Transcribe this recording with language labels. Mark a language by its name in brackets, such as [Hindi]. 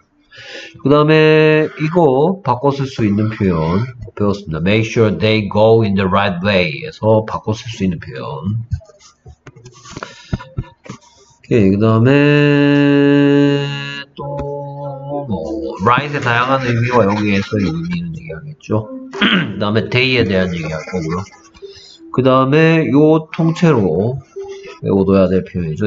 [Korean] 그 다음에 이거 바꿔 쓸 수 있는 표현 배웠습니다. [English] Make sure they go in the right way. [Korean] 에서 바꿔 쓸 수 있는 표현. Okay, 그 다음에 또 Right의 다양한 의미와 여기에서 의미는 얘기하겠죠. 그 다음에 day에 대한 얘기할 거고요. 그 다음에 요 통째로 외워둬야 될 표현이죠.